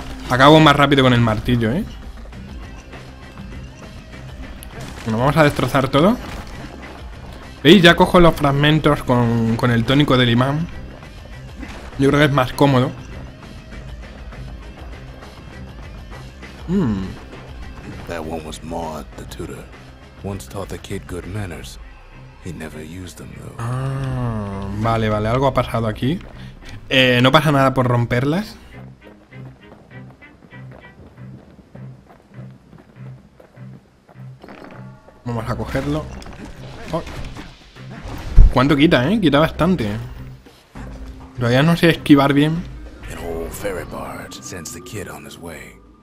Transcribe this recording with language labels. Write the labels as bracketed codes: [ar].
[es] Acabo más rápido con el martillo, ¿eh? Bueno, vamos a destrozar todo. ¿Veis? Ya cojo los fragmentos con el tónico del imán. Yo creo que es más cómodo. [en] That one was Maud, the tutor. Once taught the kid good manners. He never used them though. [es] Vale, vale, algo ha pasado aquí. No pasa nada por romperlas. Vamos a cogerlo. Oh. ¿Cuánto quita, eh? Quita bastante. Todavía no sé esquivar bien. [en] An old ferry barge sends the kid on his way.